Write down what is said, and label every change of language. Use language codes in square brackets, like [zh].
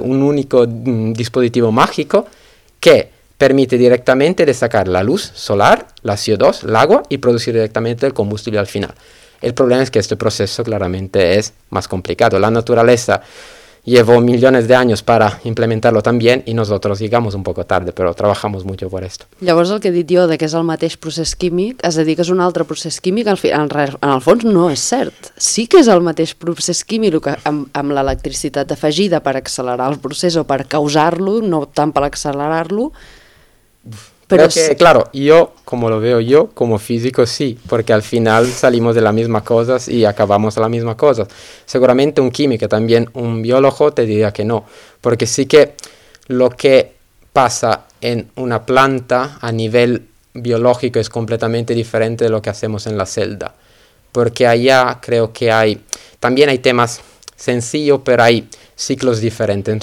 [es] Un único dispositivo mágico que permite directamente de sacar la luz solar, la CO2, el agua y producir directamente el combustible al final. El problema es que este proceso claramente es más complicado. La naturaleza llevó millones de años para implementarlo también y nosotros llegamos un poco tarde, pero trabajamos mucho por esto. [ca] Llavors el que he dit jo de que és el mateix procés químic, has de dir que és un altre procés químic, en el fons no és cert. Sí que és el mateix procés químic que amb l'electricitat afegida per accelerar el procés o per causar-lo, no tant per accelerar-lo. [es] Pero es que, claro, yo, como lo veo yo, como físico, sí, porque al final salimos de las mismas cosas y acabamos las mismas cosas. Seguramente un químico, también un biólogo, te diría que no, porque sí que lo que pasa en una planta a nivel biológico es completamente diferente de lo que hacemos en la celda, porque allá creo que hay, también hay temas sencillos, pero hay ciclos diferentes.